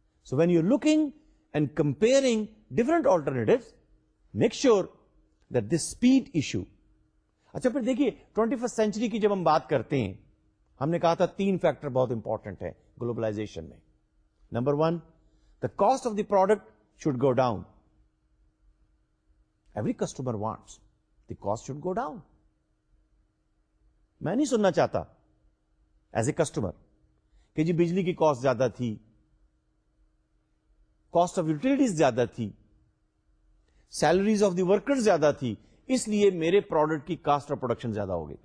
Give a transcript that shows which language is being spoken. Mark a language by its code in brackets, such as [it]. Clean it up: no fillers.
[en] So when you looking and comparing different alternatives, make sure that this speed issue. [ur] اچھا پھر دیکھیے 21st century کی جب ہم بات کرتے ہیں, ہم نے کہا تھا تین فیکٹر بہت امپورٹنٹ ہے گلوبلائزیشن میں. [en] Number one, the cost of the product should go down. Every customer wants the cost should go down. [ur] میں نہیں سننا چاہتا [en] as a customer [ur] کہ جی بجلی کی کاسٹ زیادہ تھی, کاسٹ آف یوٹیلٹیز زیادہ تھی, [en] salaries of the worker [ur] زیادہ تھی, اس لیے میرے پروڈکٹ کی کاسٹ اور پروڈکشن زیادہ ہوگی.